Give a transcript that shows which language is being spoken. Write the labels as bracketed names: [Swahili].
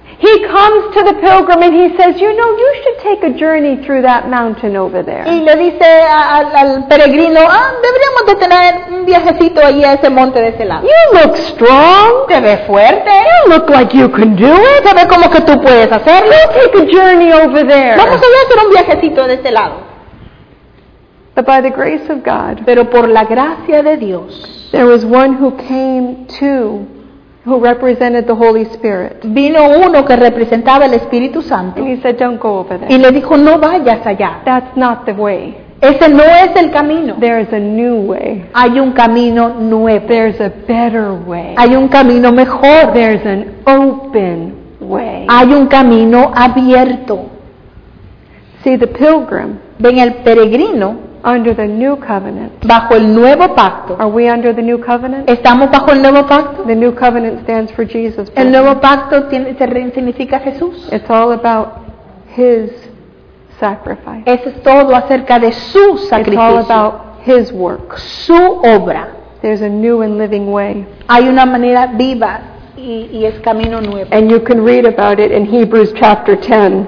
[English] He comes to the pilgrim and he says, you know, you should take a journey through that mountain over there. [Spanish] Y le dice al peregrino, deberíamos de tener un viajecito ahí a ese monte de ese lado. [English] You look strong. [Spanish] Te ves fuerte. [English] You look like you can do it. [Spanish] Te ves como que tú puedes hacerlo. [English] We'll take a journey over there. [Spanish] Vamos a hacer un viajecito de ese lado. [English] But by the grace of God, [Spanish] pero por la gracia de Dios, [English] there was one who came to, who represented the Holy Spirit. [Spanish] Vino uno que representaba el Espíritu Santo. [English] And he said, "Don't go over there." [Spanish] Y le dijo, "No vayas allá." [English] That's not the way. [Spanish] Ese no es el camino. [English] There is a new way. [Spanish] Hay un camino nuevo. [English] There is a better way. [Spanish] Hay un camino mejor. [English] There is an open way. [Spanish] Hay un camino abierto. [English] See the pilgrim. [Spanish] Ven el peregrino. [English] Under the new covenant. [Spanish] Bajo el nuevo pacto. [English] Are we under the new covenant? [Spanish] ¿Estamos bajo el nuevo pacto? [English] The new covenant stands for Jesus. [Spanish] El nuevo pacto significa Jesús. [English] It's all about his sacrifice. [Spanish] Eso es todo acerca de su sacrificio. [English] It's all about his work. [Spanish] Su obra. [English] There's a new and living way. [Spanish] Hay una manera viva y es camino nuevo. [English] And you can read about it in Hebrews chapter 10.